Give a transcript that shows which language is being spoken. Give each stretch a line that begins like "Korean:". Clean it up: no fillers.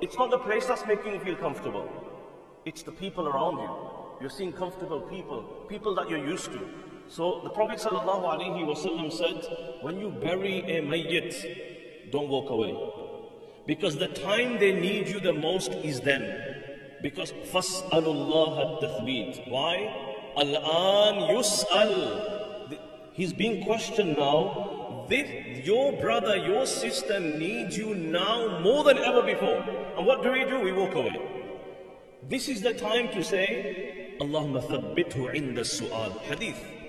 English: It's not the place that's making you feel comfortable. It's the people around you. You're seeing comfortable people that you're used to. So the Prophet sallallahu alaihi wasallam said, when you bury a mayyit, don't walk away. Because the time they need you the most is then. Because
Arabic: فَاسْأَلُ اللَّهَ التَّثْبِيتِ
English: Why?
Arabic: الْآن يُسْأَلُ
English: He's being questioned now. Your brother, your sister needs you now more than ever before. And what do? We walk away. This is the time to say,
Arabic: اللَّهُمَّ ثَبِّتْهُ عِنْدَ السُّؤَالِ
English: Hadith.